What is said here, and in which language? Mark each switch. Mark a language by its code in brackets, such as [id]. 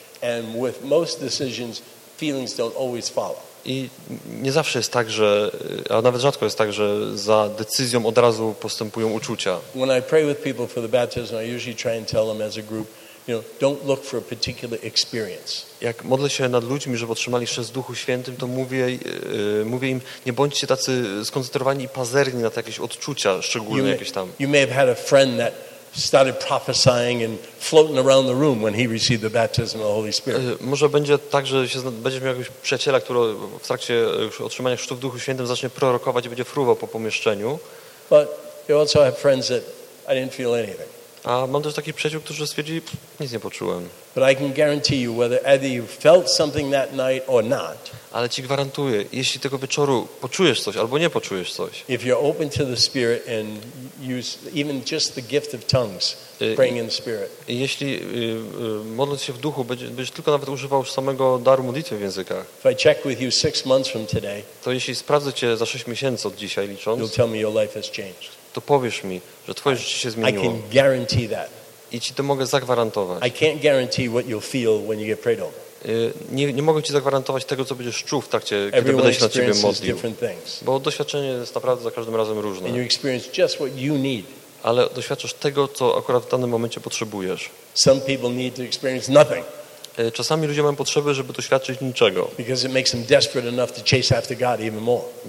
[en] And with most decisions, feelings don't always follow. [pl] I nie zawsze jest tak, że, a nawet rzadko jest tak, że za decyzją od razu postępują uczucia. [en] When I pray with people for the baptism, I usually try and tell them as a group, you know, don't look for a particular experience. [pl] Jak modlę się nad ludźmi, żeby otrzymali chrzest w Duchu Świętym, to mówię im, nie bądźcie tacy skoncentrowani i pazerni na jakieś odczucia szczególne jakieś tam. [en] You may have had a friend that started prophesying and floating around the room when he received the baptism of the Holy Spirit. [pl] Może będzie tak, że będziesz miał jakiegoś przyjaciela, który w trakcie otrzymania chrztu w Duchu Świętym zacznie prorokować i będzie fruwał po pomieszczeniu. [en] But I also have friends that I didn't feel anything. [pl] A mam też takich przyjaciół, którzy stwierdzili, nic nie poczułem. [en] But I can guarantee you whether either you felt something that night or not. [pl] Ale ci gwarantuję, jeśli tego wieczoru poczujesz coś albo nie poczujesz coś. [en] If you're open to the Spirit and use even just the gift of tongues, praying in the Spirit. [pl] Jeśli modląc się w duchu, będziesz tylko nawet używał samego daru modlitwy w językach. [en] If I check with you 6 months from today, [pl] to jeśli sprawdzę cię za 6 miesięcy od dzisiaj licząc, [en] you'll tell me your life has changed. [pl] To powiesz mi, że twoje życie się zmieniło. [en] I can guarantee that. [pl] I ci to mogę zagwarantować. [en] I can't guarantee what you'll feel when you get prayed over. [pl] Nie mogę ci zagwarantować tego, co będziesz czuł w trakcie, kiedy będę się na ciebie modlił. Bo doświadczenie jest naprawdę za każdym razem różne. [en] And you experience just what you need. [pl] Ale doświadczasz tego, co akurat w danym momencie potrzebujesz. [en] Some people need to experience nothing. [pl] Czasami ludzie mają potrzeby, żeby doświadczyć niczego. [en] Because it makes them desperate enough to chase after God even more.